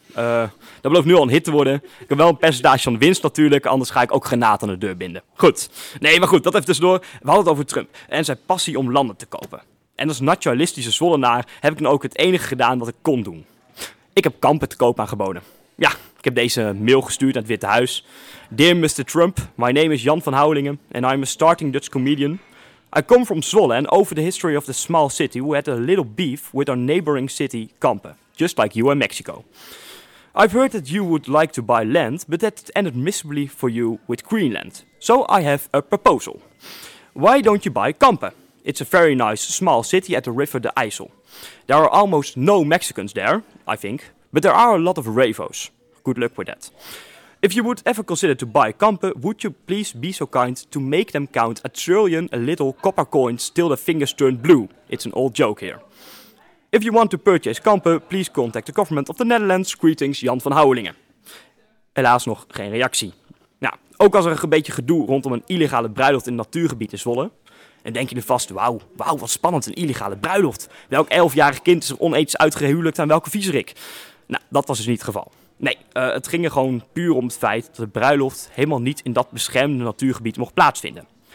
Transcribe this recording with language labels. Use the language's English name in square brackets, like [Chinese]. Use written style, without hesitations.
[Dutch] Dat belooft nu al een hit te worden. Ik heb wel een percentage van winst natuurlijk, anders ga ik ook granaat aan de deur binden. Goed. Nee, maar goed, dat even tussendoor. We hadden het over Trump en zijn passie om landen te kopen. En als naturalistische Zwollenaar heb ik dan ook het enige gedaan wat ik kon doen. Ik heb kampen te koop aangeboden. Ja. Ik heb deze mail gestuurd naar het Witte Huis. [English] Dear Mr. Trump, my name is Jan van Houwelingen and I'm a starting Dutch comedian. I come from Zwolle and over the history of the small city we had a little beef with our neighboring city, Kampen. Just like you in Mexico. I've heard that you would like to buy land, but that ended miserably for you with Greenland. So I have a proposal. Why don't you buy Kampen? It's a very nice small city at the river de IJssel. There are almost no Mexicans there, I think, but there are a lot of Ravos. Good luck with that. If you would ever consider to buy Kampen, would you please be so kind to make them count a trillion little copper coins till their fingers turn blue? It's an old joke here. If you want to purchase Kampen, please contact the government of the Netherlands. Greetings, Jan van Houwelingen. [Dutch] Helaas nog geen reactie. Nou, ook als er een beetje gedoe rondom een illegale bruiloft in het natuurgebied in Zwolle. En denk je er vast, wauw, wat spannend, een illegale bruiloft. Welk 11-jarig kind is er oneens uitgehuwelijkt aan welke viezerik? Nou, dat was dus niet het geval. Nee, het ging er gewoon puur om het feit dat de bruiloft helemaal niet in dat beschermde natuurgebied mocht plaatsvinden.